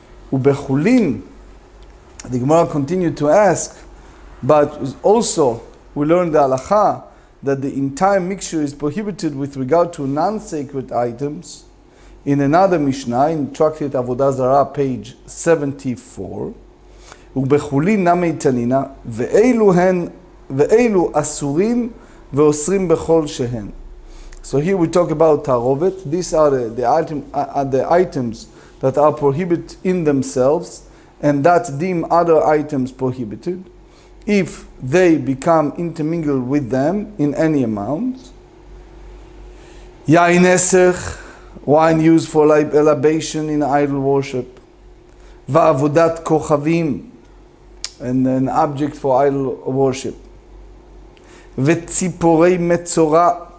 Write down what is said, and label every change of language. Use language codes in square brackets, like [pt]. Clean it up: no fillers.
[en] Ubechulin, the Gemara continued to ask, but also we learned the halacha that the entire mixture is prohibited with regard to non-sacred items in another Mishnah, in Tractate Avodah Zarah, page 74. [he] ובחולין נמי תנינה, ואילו הן, ואילו אסורים ואוסרים בכל שהן. [en] So here we talk about תערובת. These are the items that are prohibited in themselves, and that deem other items prohibited, if they become intermingled with them in any amount. [he] יין עשך, [en] wine used for libation in idol worship, [he] ועבודת כוכבים, [en] and an object for idol worship, [he] וציפורי מצורע,